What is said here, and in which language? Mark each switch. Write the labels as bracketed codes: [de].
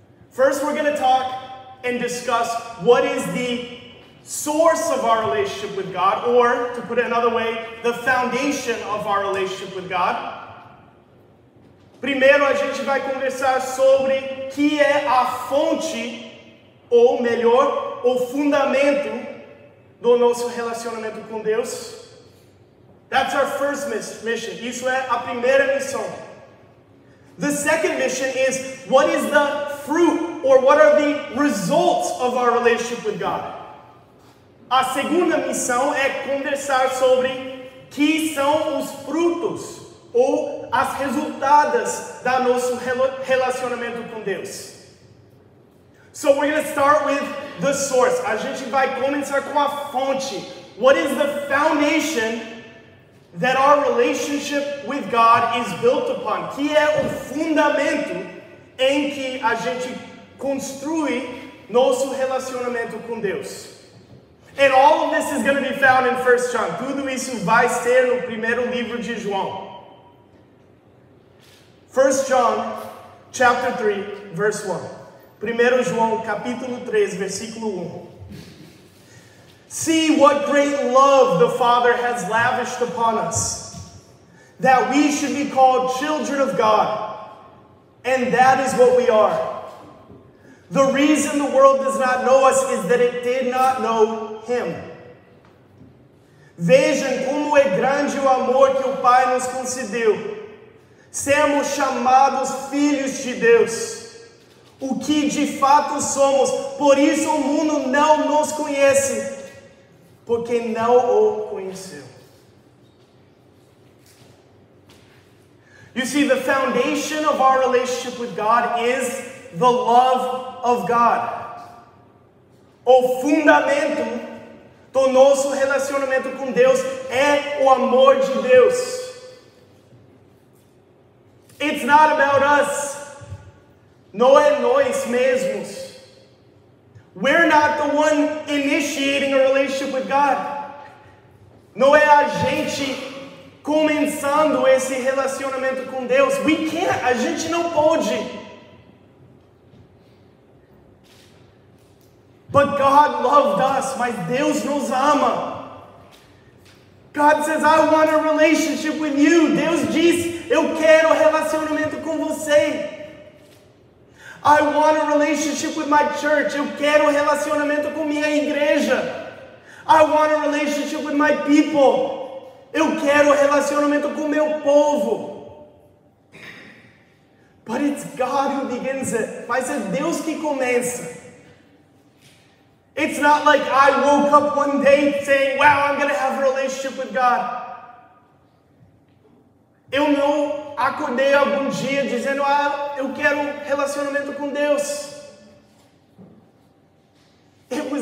[en] First, we're going to talk and discuss what is the source of our relationship with God, or to put it another way, the foundation of our relationship with God. [pt] Primeiro, a gente vai conversar sobre que é a fonte, ou melhor, o fundamento do nosso relacionamento com Deus. [en] That's our first mission. [pt] Isso é a primeira missão. [en] The second mission is, what is the fruit, or what are the results of our relationship with God? [pt] A segunda missão é conversar sobre que são os frutos ou as resultados da nosso relacionamento com Deus. [en] So we're going to start with the source. [pt] A gente vai começar com a fonte. [en] What is the foundation that our relationship with God is built upon? [pt] Que é o fundamento em que a gente construi nosso relacionamento com Deus? [en] And all of this is going to be found in 1 John. [pt] Tudo isso vai ser no primeiro livro de João. [en] 1 John, chapter 3, verse 1. [pt] 1 João, capítulo 3, versículo 1. [en] See what great love the Father has lavished upon us, that we should be called children of God, and that is what we are. The reason the world does not know us is that it did not know Him. [pt] Vejam como é grande o amor que o Pai nos concedeu. Sermos chamados filhos de Deus, o que de fato somos, por isso o mundo não nos conhece, porque não o conheceu. [en] You see, the foundation of our relationship with God is the love of God. [pt] O fundamento do nosso relacionamento com Deus é o amor de Deus. [en] It's not about us. [pt] Não é nós mesmos. [en] We're not the one initiating a relationship with God. [pt] Não é a gente começando esse relacionamento com Deus. [en] We can't. [pt] A gente não pode. [en] But God loved us. [pt] Mas Deus nos ama. [en] God says, I want a relationship with you. [pt] Deus diz, eu quero relacionamento com você. [en] I want a relationship with my church. [pt] Eu quero relacionamento com minha igreja. [en] I want a relationship with my people. [pt] Eu quero relacionamento com meu povo. [en] But it's God who begins it. [pt] Mas é Deus que começa. [en] It's not like I woke up one day saying, wow, I'm going to have a relationship with God. [pt] Eu não acordei algum dia dizendo, ah, eu quero um relacionamento com Deus. [en] It was